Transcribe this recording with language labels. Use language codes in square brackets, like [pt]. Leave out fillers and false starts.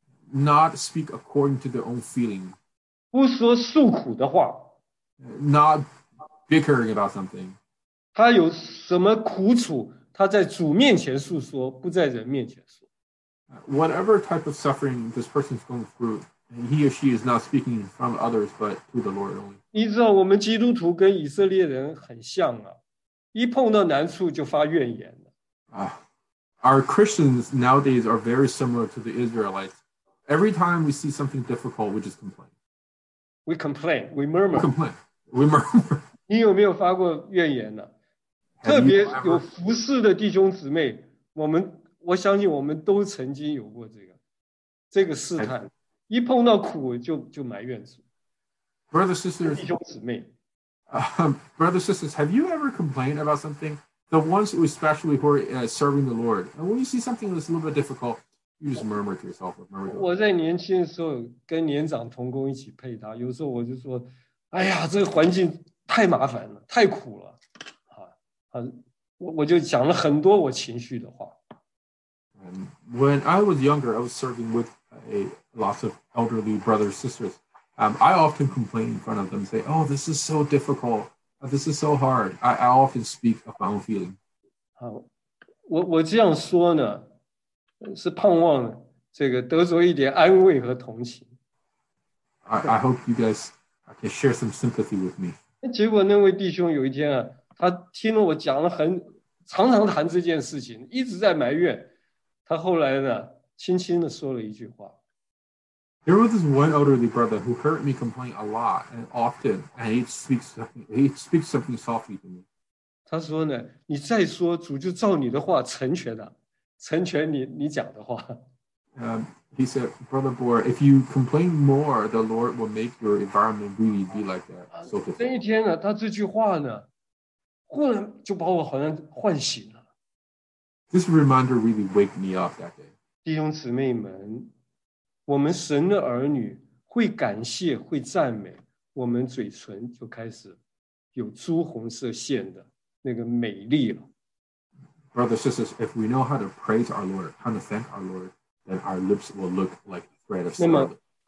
[en] Not speak according to their own feeling. [zh] 不说诉苦的话。 [en] Not bickering about something. [zh] 他有什么苦楚，他在主面前诉说，不在人面前说。 [en] Whatever type of suffering this person is going through, and he or she is not speaking in front of others, but to the Lord only. [zh] 你知道我们基督徒跟以色列人很像啊，一碰到难处就发怨言了。 [en] Our Christians nowadays are very similar to the Israelites. Every time we see something difficult, we just complain. We complain, we murmur. We complain, we murmur. [zh] 你有没有发过怨言呢？特别有服侍的弟兄姊妹，我相信我们都曾经有过这个试探。一碰到苦就埋怨主。 [en] Brothers, sisters, [zh] 弟兄姊妹。 [en] Brothers, sisters, have you ever complained about something? The ones who especially who are serving the Lord, and when you see something that's a little bit difficult,You just murmur to yourself. Murmur. [zh] 我在年轻的时候跟年长同工一起配搭，有时候我就说：“哎呀，这个环境太麻烦了，太苦了。” 我就讲了很多我情绪的话。 [en] And when I was younger, I was serving with lots of elderly brothers and sisters. I often complain in front of them, say, "Oh, this is so difficult. This is so hard." I often speak of my own feeling. [zh] 我这样说呢。是盼望这个得着一点安慰和同情。 [en] I hope you guys can share some sympathy with me. [zh] 结果那位弟兄有一天啊，他听了我讲了很常常谈这件事情，一直在埋怨。他后来呢，轻轻的说了一句话。 [en] There was this one elderly brother who heard me complain a lot and often, and he speaks something softly to me. [zh] 他说呢，你再说，主就照你的话成全了。成全你讲的话。 [en] He said, Brother Boer, if you complain more, the Lord will make your environment really be like that. So pitiful. [zh] 那一天呢, 他这句话呢, 忽然就把我好像唤醒了。 [en] This reminder really waked me up that day. [zh] 弟兄姊妹们, 我们神的儿女, 会感谢, 会赞美, 我们嘴唇就开始有朱红色线的那个美丽了。 [en] Brothers and sisters, if we know how to praise our Lord, how to thank our Lord, then our lips will look like a thread of scarlet.